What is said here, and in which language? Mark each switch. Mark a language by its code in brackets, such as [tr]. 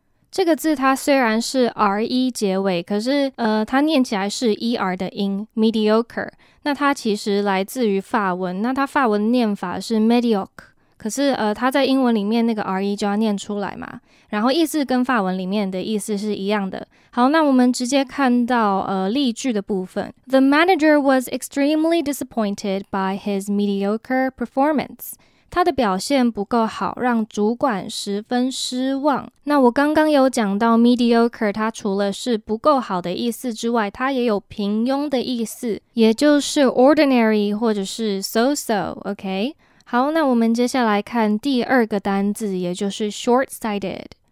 [zh] 这个字它虽然是 re 结尾，可是它念起来是 er 的音 mediocre。那它其实来自于法文，那它法文念法是 mediocre， 可是它在英文里面那个 re 就要念出来嘛，然后意思跟法文里面的意思是一样的。好，那我们直接看到例句的部分。 [en] The manager was extremely disappointed by his mediocre performance. [zh] 他的表现不够好，让主管十分失望。那我刚刚有讲到 mediocre， 它除了是不够好的意思之外，它也有平庸的意思，也就是 ordinary 或者是 so-so， OK？好，那我们接下来看第二个单字，也就是 short-sighted。